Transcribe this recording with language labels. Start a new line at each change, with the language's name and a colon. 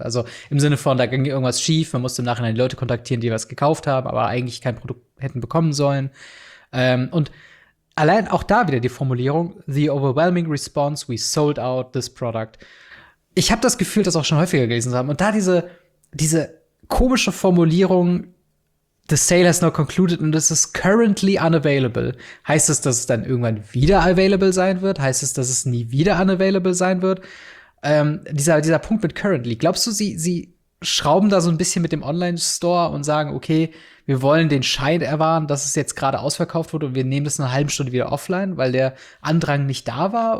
German: Also im Sinne von, da ging irgendwas schief, man musste im Nachhinein die Leute kontaktieren, die was gekauft haben, aber eigentlich kein Produkt hätten bekommen sollen. Und allein auch da wieder die Formulierung,
English: the overwhelming response, we sold out this product.
German: Ich habe das Gefühl, das auch schon häufiger gelesen zu haben. Und da diese komische Formulierung,
English: the sale has not concluded and this is currently unavailable.
German: Heißt es, dass es dann irgendwann wieder available sein wird? Heißt es, dass es nie wieder unavailable sein wird? Dieser Punkt mit currently, glaubst du, sie schrauben da so ein bisschen mit dem Online-Store und sagen, okay, wir wollen den Schein erwahren, dass es jetzt gerade ausverkauft wurde und wir nehmen das in einer halben Stunde wieder offline, weil der Andrang nicht da war?